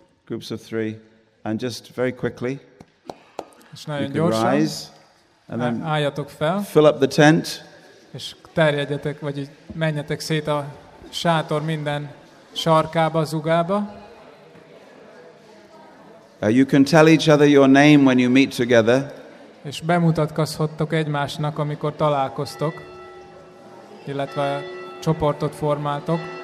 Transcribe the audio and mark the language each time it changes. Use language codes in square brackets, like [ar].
[en] Groups of three. And just very quickly. [hu] És nagyon gyorsan. [en] Rise, and then [hu] álljatok fel. [en] Fill up the tent. [hu] És terjedjetek, vagy menjetek szét a sátor minden sarkába, zugába. [en] You can tell each other your name when you meet together. [hu] És bemutatkozhattok egymásnak, amikor találkoztok, illetve csoportot formáltok.